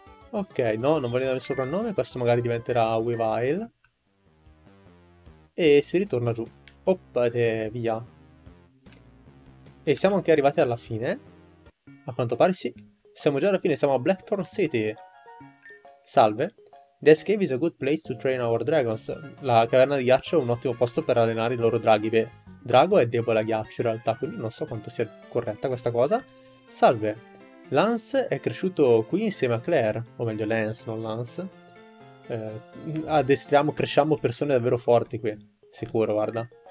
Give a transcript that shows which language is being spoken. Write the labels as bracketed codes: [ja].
[it] Ok, no, non voglio dare il soprannome, questo magari diventerà Weavile. E si ritorna giù. Oppa, via. E siamo anche arrivati alla fine. A quanto pare sì. Siamo già alla fine, siamo a Blackthorn City. Salve. [en] This cave is a good place to train our dragons. [it] La caverna di ghiaccio è un ottimo posto per allenare i loro draghi. Beh, drago è debole a ghiaccio in realtà, quindi non so quanto sia corretta questa cosa. Salve. Lance è cresciuto qui insieme a Claire. O meglio, Lance, non Lance. Addestriamo, cresciamo persone davvero forti qui. Sicuro, guarda.